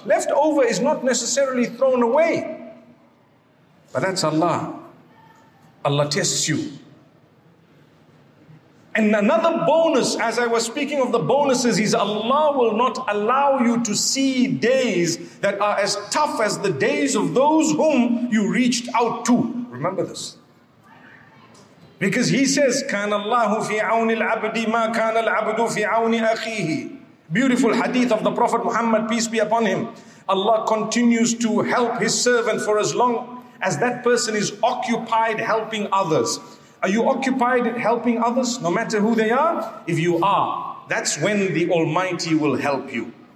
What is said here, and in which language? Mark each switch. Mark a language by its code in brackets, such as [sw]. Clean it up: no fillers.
[en] Leftover is not necessarily thrown away. But that's Allah. Allah tests you. And another bonus, as I was speaking of the bonuses, is Allah will not allow you to see days that are as tough as the days of those whom you reached out to. Remember this. Because he says, [ar] كَانَ اللَّهُ فِي عَوْنِ الْعَبْدِ مَا كَانَ الْعَبْدُ فِي عَوْنِ أَخِيهِ. [en] Beautiful hadith of the Prophet Muhammad, peace be upon him. Allah continues to help his servant for as long as that person is occupied helping others. Are you occupied at helping others, no matter who they are? If you are, that's when the Almighty will help you.